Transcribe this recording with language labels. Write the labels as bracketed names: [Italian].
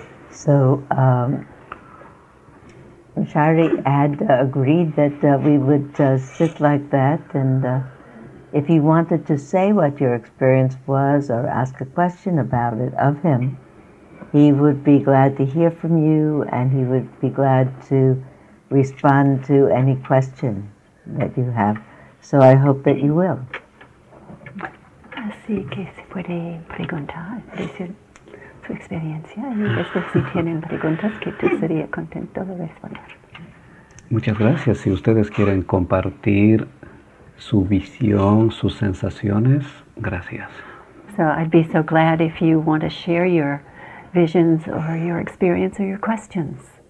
[English] So, Shari had agreed that we would sit like that, and if you wanted to say what your experience was or ask a question about it of him, he would be glad to hear from you, and he would be glad to respond to any question that you have. So I hope that you will. [Spanish] Así que se puede preguntar, decir su experiencia, y después si tienen preguntas que tú sería contento de responder. Muchas gracias. Si ustedes quieren compartir su visión, sus sensaciones, gracias. [English] So I'd be so glad if you want to share your visions or your experience or your questions.